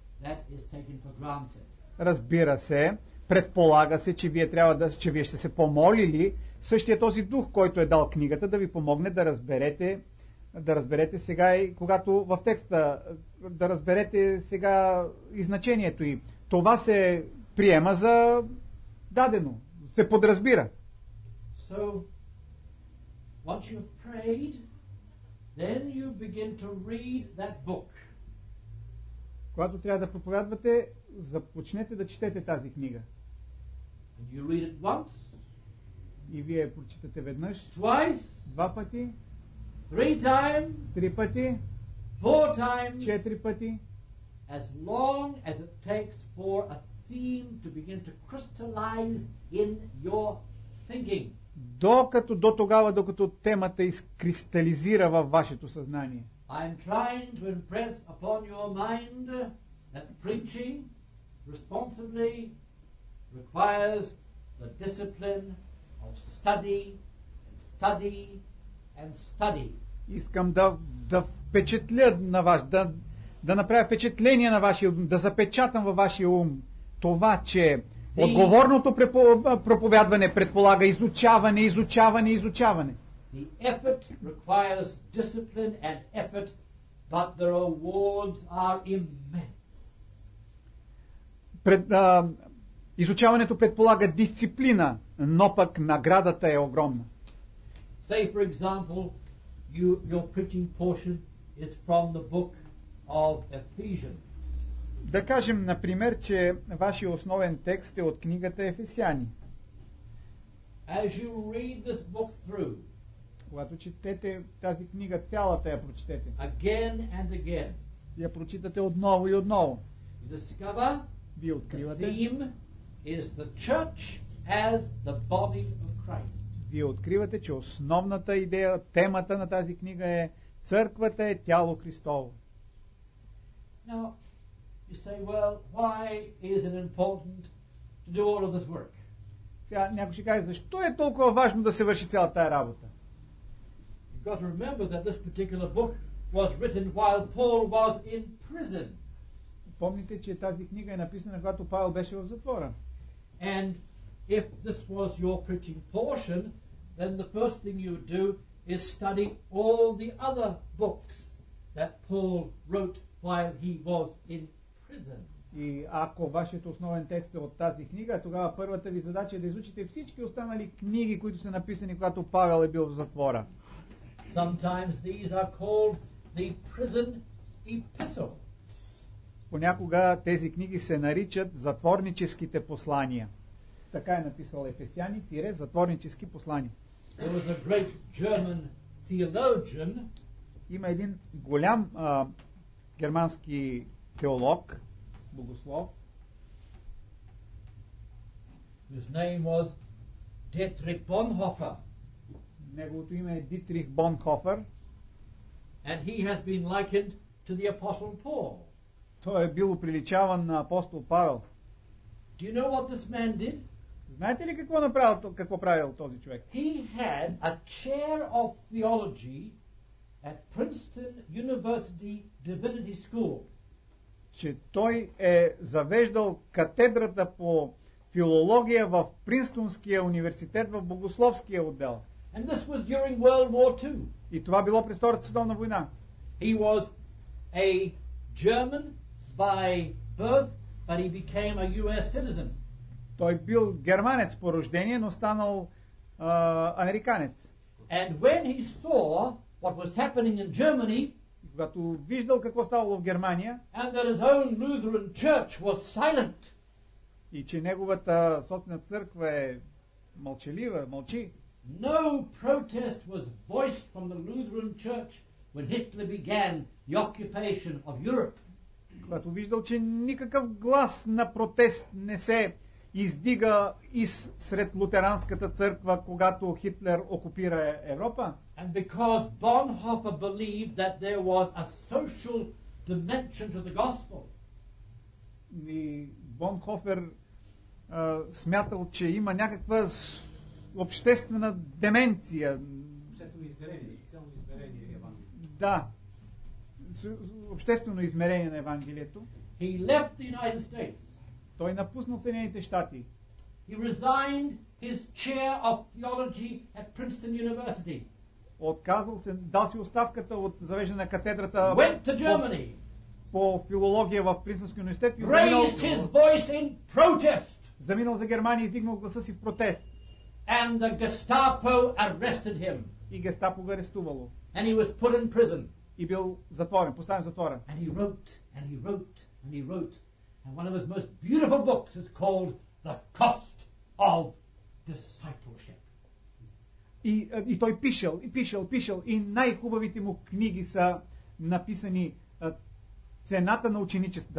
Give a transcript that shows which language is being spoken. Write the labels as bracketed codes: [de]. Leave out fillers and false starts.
[en] That is taken for granted. [bg] Разбира се, предполага се, че вие трябва да, че вие ще се помолили същия този дух, който е дал книгата, да ви помогне да разберете, сега и когато в текста, да разберете сега и значението и това се приема за дадено, се подразбира. [en] So, once you've prayed, then you begin to read that book. [bg] Когато трябва да проповядвате, започнете да четете тази книга. [en] And you read it once. [bg] И вие прочитате веднъж. [en] Twice. [bg] Два пъти. [en] Three times. [bg] Три пъти. [en] Four times. [bg] Четири пъти. [en] As long as it takes for a theme to begin to crystallize in your thinking. [bg] Докато до тогава, докато темата изкристализира във вашето съзнание. [en] I am trying to impress upon your mind that preaching responsibly requires the discipline of study and study and study. [bg] Искам да впечатля на вас, да направя впечатление на вашия ум, да запечатам във вашия ум това, че отговорното проповядване предполага изучаване, изучаване, изучаване. [en] The effort requires discipline and effort, but the rewards are immense. [bg] Изучаването предполага дисциплина, но пък наградата е огромна. [en] Say for example, your preaching portion is from the book of Ephesians. [bg] Да кажем, например, че вашия основен текст е от книгата Ефесяни. [en] As you read this book through, [bg] когато четете тази книга, цялата я прочетете. [en] Again and again. [bg] Я прочитате отново и отново. [en] You discover, [bg] вие откривате. [en] The theme is the church as the body of Christ. [bg] Вие откривате, че основната идея, темата на тази книга е църквата е тяло Христово. [en] Now, you say, well, why is it important to do all of this work? [bg] Някой ще каже, защо е толкова важно да се върши цялата тая работа? [en] You've got to remember that this particular book was written while Paul was in prison. [bg] Помните, че тази книга е написана, когато Павел беше в затвора. [en] And if this was your preaching portion, then the first thing you would do is study all the other books that Paul wrote while he was in prison. [bg] И ако вашето основен текст е от тази книга, тогава първата ви задача е да изучите всички останали книги, които са написани, когато Павел е бил в затвора. [en] Sometimes these are called the prison epistles. [bg] Понякога тези книги се наричат затворническите послания. Така е написал Ефесяни тире затворнически послания. [en] There was a great German theologian. [bg] Има един голям германски теолог, богослов. [en] His name was Dietrich Bonhoeffer. [bg] Неговото име е Дитрих Бонхофер. [en] And he has been likened to the apostle Paul. [bg] Той е бил приличаван на апостол Павел. [en] Do you know what this man did? [bg] Знаете ли какво направил, какво правил този човек? [en] He had a chair of theology at Princeton University Divinity School. [bg] Че той е завеждал катедрата по филология в Принстонския университет в богословския отдел. [en] And this was during World War II. [bg] И това било през Втората световна война. [en] He was a German by birth, but he became a US citizen. [bg] Той бил германец по рождение, но станал американец. [en] And when he saw what was happening in Germany, [bg] когато виждал какво ставало в Германия, [en] and that his own Lutheran church was silent. [bg] И че неговата собствена църква е мълчалива, мълчи. [en] No protest was voiced from the Lutheran Church when Hitler began the occupation of Europe. [bg] Когато виждал, че никакъв глас на протест не се издига из сред лутеранската църква, когато Хитлер окупира Европа. [en] And because Bonhoeffer believed that there was a social dimension to the gospel. [bg] И Бонхофер смятал, че има някаква обществена деменция. Обществено измерение, социално измерение Евангелието. Да. Обществено измерение на Евангелието. [en] He left the United States. [bg] Той напуснал Съединените щати. [en] He resigned his chair of theology at Princeton University. [bg] Отказал се, дал си оставката от завеждане на катедрата. [en] Went to Germany. [bg] По филология в Принстонския университет. [en] Raised his voice in protest. [bg] Заминал за Германия и издигнал гласа си в протест. [en] And the Gestapo arrested him. [bg] И Гестапо го арестувало. [en] And he was put in prison. [bg] И бил затворен, поставен в затвора. [en] And he wrote, and he wrote, And he wrote, and one of his most beautiful books is called The Cost of Discipleship. [bg] И той пишел, и пишел, пишел, и най-хубавите му книги са написани цената на ученичеството.